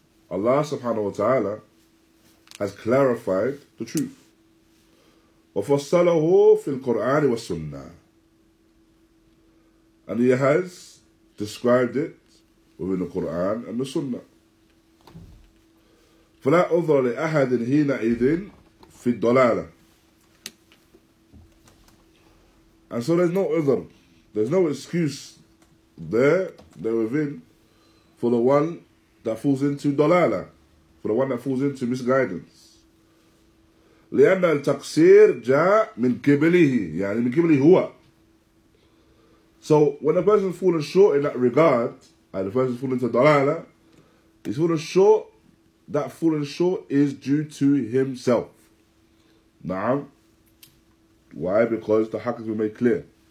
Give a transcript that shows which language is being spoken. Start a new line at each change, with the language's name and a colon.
English: Allah subhanahu wa ta'ala has clarified the truth.
Arabic: وفصله في القرآن والسنة.
English: And he has described it within the Quran and the Sunnah.
Arabic: فلا أذر لأحد حينئذ في الضلالة.
English: And so there's no other. There's no excuse there within. For the one that falls into dalala, for the one that falls into misguidance.
Arabic: لأن التقصير جاء من قبله يعني من قبله هو.
English: So when a person falls short in that regard, and the person falls into dalala, he's falling short. That falling short is due to himself. نعم. Why? Because the haqq has been made clear.